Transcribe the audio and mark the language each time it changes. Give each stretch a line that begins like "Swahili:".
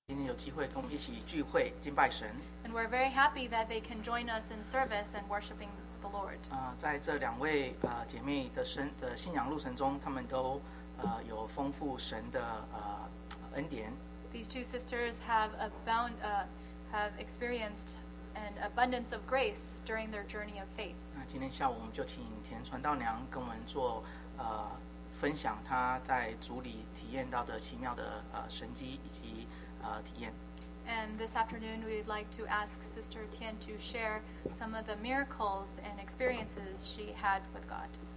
Chinese: 今天有机会跟我们一起聚会敬拜神。
English: And we're very happy that they can join us in service and worshiping the Lord.
Chinese: 在这两位姐妹的信仰路程中，她们都有丰富神的恩典。
English: These two sisters have have experienced an abundance of grace during their journey of faith.
Chinese: 今天下午我们就请田传道娘跟我们做分享她在主里体验到的奇妙的神迹以及。
English: And this afternoon, we'd like to ask Sister Tian to share some of the miracles and experiences she had with God.